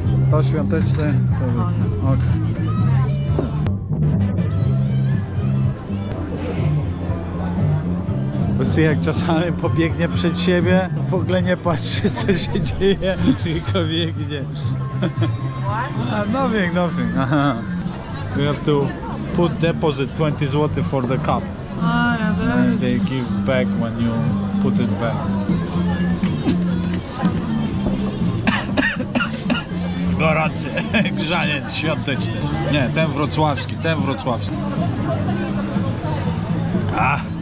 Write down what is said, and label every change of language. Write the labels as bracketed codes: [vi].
[pl] To świąteczne, to wrocławskie. Okay. Jak czasami pobiegnie przed siebie, w ogóle nie patrzy, co się dzieje, tylko biegnie. [en] Nothing. We have to put deposit 20 zł for the cup. Yeah, and they give back when you put it back. [pl] Gorący, grzaniec świąteczny. Nie, ten wrocławski. Ah.